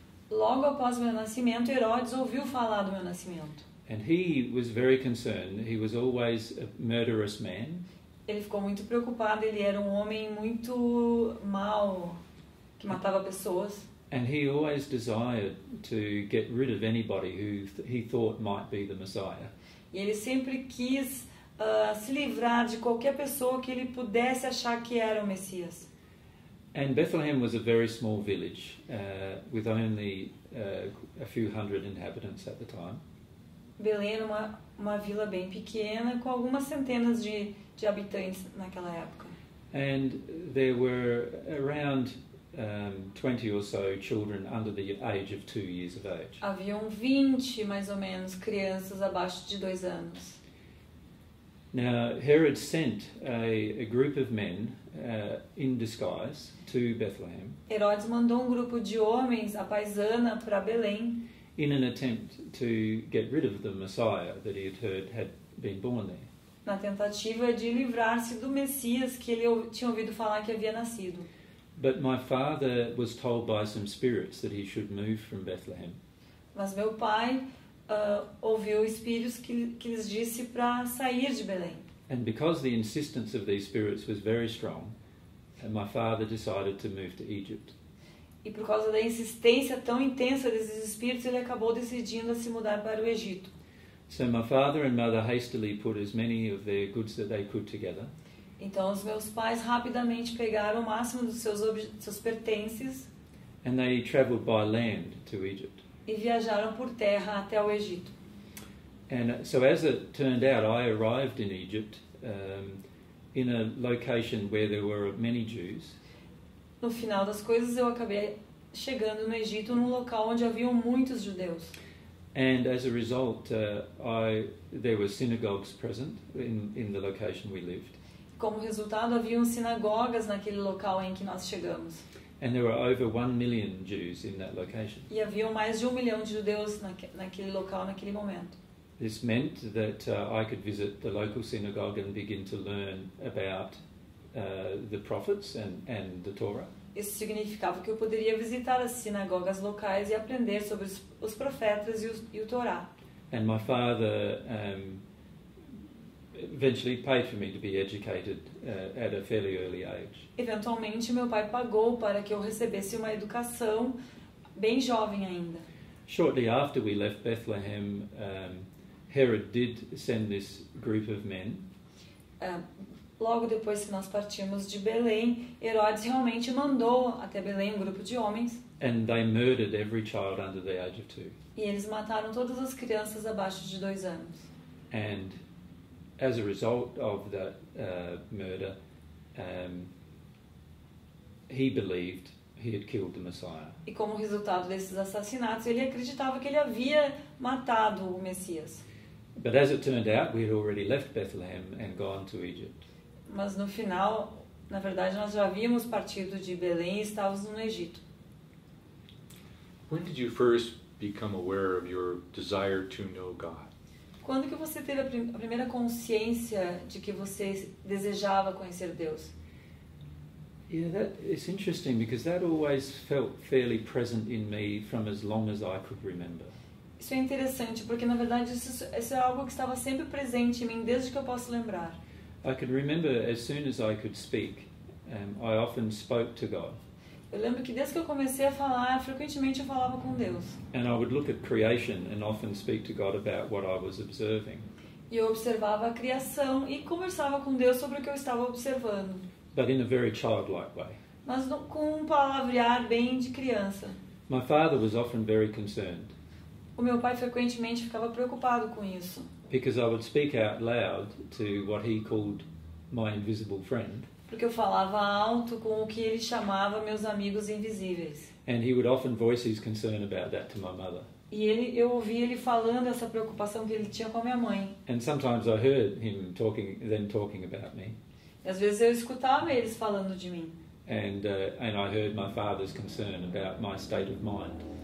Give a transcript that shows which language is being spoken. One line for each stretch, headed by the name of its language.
Portuguese: Logo após meu nascimento, Herodes ouviu falar do meu nascimento.
English: And he was very concerned. He was always a murderous man.
Portuguese: Ele ficou muito preocupado. Ele era um homem muito mau, que matava pessoas.
English: And he always desired to get rid of anybody who he thought might be the Messiah.
Portuguese: E ele sempre quis se livrar de qualquer pessoa que ele pudesse achar que era o Messias.
English: And Bethlehem was a very small village, with only a few hundred inhabitants at the time.
Portuguese: Belém era uma vila bem pequena, com algumas centenas de habitantes naquela época.
English: And there were around 20 or so children under the age of 2 years of age.
Portuguese: Haviam 20, mais ou menos, crianças abaixo de 2 anos.
English: Now, Herod sent a group of men in disguise to Bethlehem.
Portuguese: Herodes mandou um grupo de homens à paisana para Belém.
English: In an attempt to get rid of the Messiah that he had heard had been born there.
Portuguese: Na tentativa de livrar-se do Messias que ele tinha ouvido falar que havia nascido.
English: But my father was told by some spirits that he should move from Bethlehem.
Portuguese: Mas meu pai ouviu espíritos que lhes disse para sair de Belém.
English: And because the insistence of these spirits was very strong, my father decided to move to Egypt.
Portuguese: E por causa da insistência tão intensa desses espíritos, ele acabou decidindo se mudar para o Egito.
English: So my father and mother hastily put as many of their goods that they could together.
Portuguese: Então os meus pais rapidamente pegaram o máximo dos seus pertences.
English: And they traveled by land to Egypt.
Portuguese: E viajaram por terra até o Egito.
English: And so as it turned out, I arrived in Egypt in a location where there were many Jews.
Portuguese: No final das coisas, eu acabei chegando no Egito num local onde haviam muitos judeus.
English: And as a result, there were synagogues present in the location we lived.
Portuguese: Como resultado, haviam sinagogas naquele local em que nós chegamos.
English: And there were over 1 million Jews in that location.
Portuguese: E haviam mais de 1 milhão de judeus naquele local naquele momento.
English: This meant that I could visit the local synagogue and begin to learn about the prophets and the Torah.
Portuguese: Isso significava que eu poderia visitar as sinagogas locais e aprender sobre os profetas e o Torá.
English: And my father eventually paid for me to be educated at a fairly early age.
Portuguese: Eventualmente meu pai pagou para que eu recebesse uma educação bem jovem ainda.
English: Shortly after we left Bethlehem, Herod did send this group of men.
Portuguese: Logo depois que nós partimos de Belém, Herodes realmente mandou até Belém um grupo de homens.
English: And they murdered every child under the age of 2.
Portuguese: E eles mataram todas as crianças abaixo de 2 anos.
English: And as a result of that murder, he believed he had killed the Messiah.
Portuguese: E como resultado desses assassinatos, ele acreditava que ele havia matado o Messias.
English: But as it turned out, we had already left Bethlehem and gone to Egypt.
Portuguese: Mas no final, na verdade, nós já havíamos partido de Belém e estávamos no Egito.
English: When did you first become aware of your desire to know God?
Portuguese: Quando que você teve a primeira consciência de que você desejava conhecer Deus?
English: Yeah, that is interesting because that always felt fairly present in me from as long as I could remember.
Portuguese: Isso é interessante porque na verdade isso é algo que estava sempre presente em mim desde que eu posso lembrar.
English: I could remember as soon as I could speak, I often spoke to God.
Portuguese: Eu lembro que desde que eu comecei a falar, frequentemente eu falava com Deus.
English: And I would look at creation and often speak to God about what I was observing.
Portuguese: E eu observava a criação e conversava com Deus sobre o que eu estava observando.
English: But in a very childlike way.
Portuguese: Mas com um palavrear bem de criança.
English: My father was often very concerned.
Portuguese: O meu pai frequentemente ficava preocupado com isso.
English: Because I would speak out loud to what he called my invisible friend.
Portuguese: Porque eu falava alto com o que ele chamava meus amigos invisíveis.
English: And he would often voice his concern about that to my mother.
Portuguese: E eu ouvia ele falando essa preocupação que ele tinha com a minha mãe.
English: And sometimes I heard him talking about me.
Portuguese: E às vezes eu escutava eles falando de mim.
English: And I heard my father's concern about my state of mind.